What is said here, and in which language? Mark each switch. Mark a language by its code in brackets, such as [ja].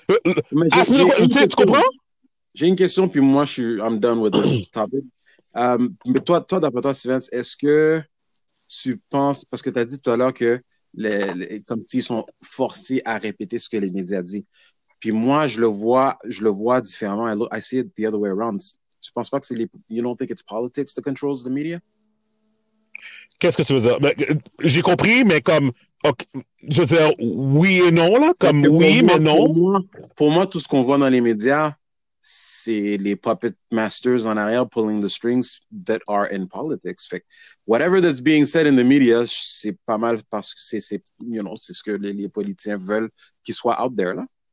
[fr] Tu comprends? J'ai une question, puis moi, [en] I'm done with this topic. [fr] Mais toi, d'après toi, Steven, est-ce que tu penses, parce que tu as dit tout à l'heure que comme s'ils sont forcés à répéter ce que les médias disent. Puis moi, je le vois différemment. [en] I see it the other way around. [fr] Tu penses pas que c'est [en] you don't think it's politics that controls the media? [fr] Qu'est-ce que tu veux dire? Ben, j'ai compris, mais comme, okay, je veux dire, oui et non, là, comme oui, moi, mais non. Pour moi, tout ce qu'on voit dans les médias, c'est les puppet masters en arrière [en] pulling the strings that are in politics. [fr] Fait, [en] whatever that's being said in the media, [fr] c'est pas mal parce que c'est ce que les politiciens veulent qu'il soit [en] out there, [fr] là.